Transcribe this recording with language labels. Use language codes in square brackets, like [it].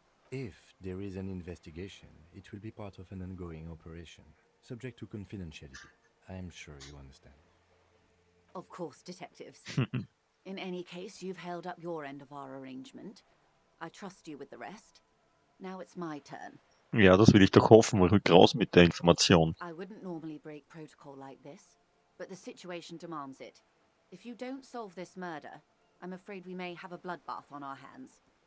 [en] If there is an investigation, it will be part of an ongoing operation, subject to confidentiality. I am sure you understand. Of course, detectives. In any case, you've held up your end of our arrangement. I trust you with the rest. Now it's my turn. [de] Ja, das will ich doch hoffen, rück raus mit der Information. [en] I wouldn't normally break protocol like this, but the situation demands it. If you don't solve this murder, I'm afraid we may have a bloodbath on our hands.